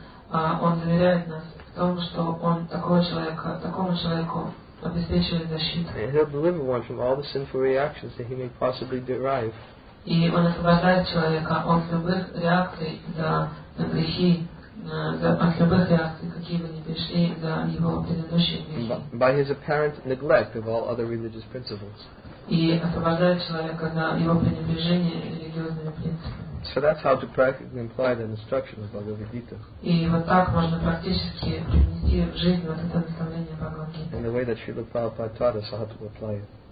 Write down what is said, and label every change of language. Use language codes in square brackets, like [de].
[ru] Он заверяет нас в том, что он такому человеку обеспечивает защиту. [en] He'll deliver one from all the sinful reactions that he may possibly derive. [ru] И он освобождает человека от любых реакций за грехи, от любых реакций, какие бы ни пришли за его предыдущие грехи. [en] By his apparent neglect of all other religious principles. [ru] И освобождает человека за его пренебрежение религиозными принципами. [en] So that's how to practically imply the instruction of Bhagavad Gita. And the way that Srila Prabhupada taught us how to apply it.